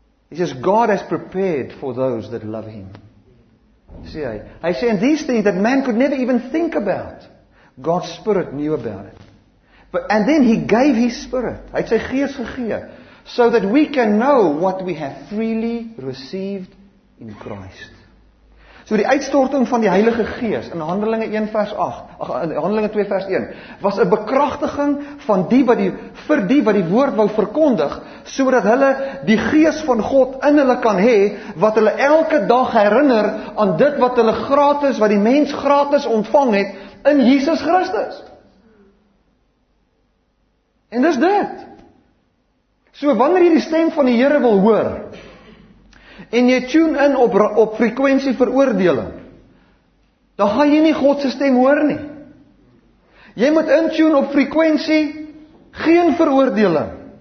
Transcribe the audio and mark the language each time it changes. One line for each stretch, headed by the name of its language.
English: He says, God has prepared for those that love Him. See, I say, and these things that man could never even think about, God's Spirit knew about it. But, and then He gave His Spirit. I say,
Afrikaans: gees gegee,
English: so that we can know what we have freely received in Christ.
Afrikaans: So die uitstorting van die Heilige Gees in Handelinge 1 vers 8, Handelinge 2 vers 1, was 'n bekrachtiging van die wat die woord wou verkondig, sodat hulle die Gees van God in hulle kan hê wat hulle elke dag herinner aan dit wat hulle gratis, wat die mens gratis ontvang het in Jesus Christus. En dis dit. So wanneer jy die stem van die Here wil hoor, en jy tune in op frekwensie veroordeling, dan gaan jy nie God se stem hoor nie. Jy moet intune op frekwensie geen veroordeling.